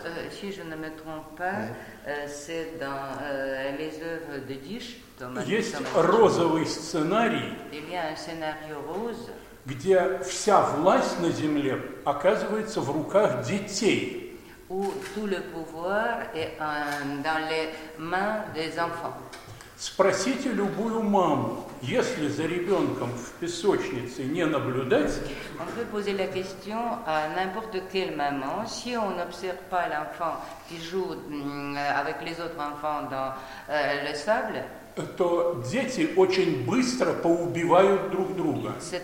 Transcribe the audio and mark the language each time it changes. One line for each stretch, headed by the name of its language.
French: Si je ne me trompe pas, c'est dans les œuvres de Dish,
Russian: Томас. Есть розовый сценарий.
French: Il y a un scénario rose.
Russian: Где вся власть на земле оказывается в руках детей.
French: Où tout le pouvoir est dans les mains des enfants.
Russian: Спросите любую маму, если за ребенком в песочнице не наблюдать.
French: On peut poser la question à n'importe quelle maman. Si on n'observe pas l'enfant qui joue avec les autres enfants dans le sable.
Russian: то дети очень быстро поубивают друг друга.